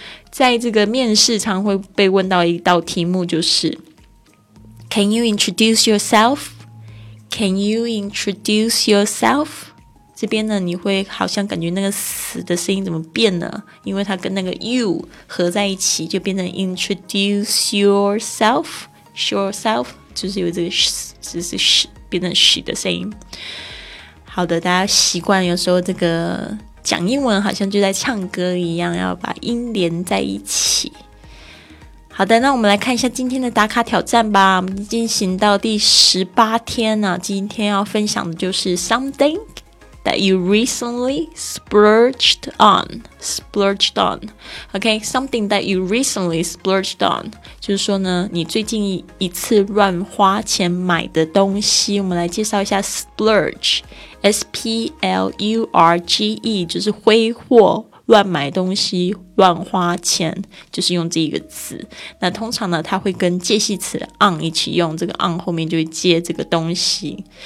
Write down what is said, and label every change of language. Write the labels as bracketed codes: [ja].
[zh] 在这个面试常会被问到一道题目，就是 [en] Can you introduce yourself? Can you introduce yourself? [zh] 这边呢你会好像感觉那个死的声音怎么变了，因为它跟那个 you 合在一起就变成 [en] introduce yourself yourself [zh] 就是有这个 sh, 就是 sh, 变成 sh 的声音。好的，大家习惯有时候这个讲英文好像就在唱歌一样，要把音连在一起。好的，那我们来看一下今天的打卡挑战吧，我们进行到第18天了。今天要分享的就是 [en] something that you recently splurged on [zh] splurged on OK, something that you recently splurged on 就是说呢你最近一次乱花钱买的东西。我们来介绍一下 splurgeSPLURGE 就是挥霍，乱买东西，乱花钱，就是用这一个词。那通常呢它会跟介系词 on 一起用，这个 on 后面就会接这个东西。